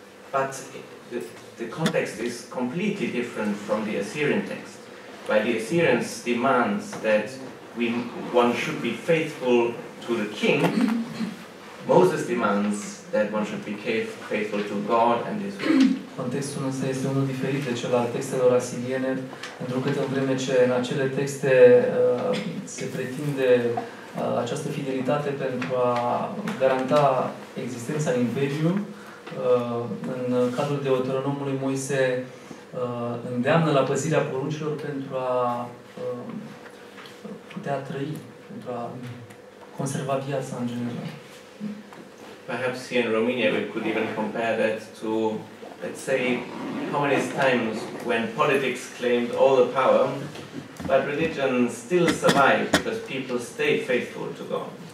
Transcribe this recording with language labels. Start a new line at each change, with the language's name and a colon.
English: But the context is completely different from the Assyrian text. By the Assyrians demands that one should be faithful to the king. Moses demands that one should be faithful to God and his word.
Romanian: Contextul însă este unul diferit de cel al textelor asiriene, pentru că în vreme ce în acele texte se pretinde această fidelitate pentru a garanta existența imperiului, în cadrul Deuteronomului Moise îndeamnă la păzirea poruncilor pentru a putea trăi, pentru a conserva viața în general.
English: Perhaps here in Romania we could even compare that to, let's say, communist times when politics claimed all the power, but religion still survived because people stayed faithful to God.